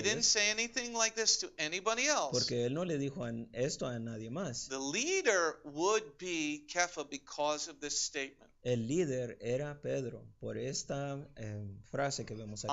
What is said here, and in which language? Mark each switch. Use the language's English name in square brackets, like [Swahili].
[English] He didn't say anything like this to anybody else. [Spanish] Porque él no le dijo esto a nadie más. [English] The leader would be Kepha because of this statement. [Spanish] El líder era Pedro por esta frase que vemos aquí.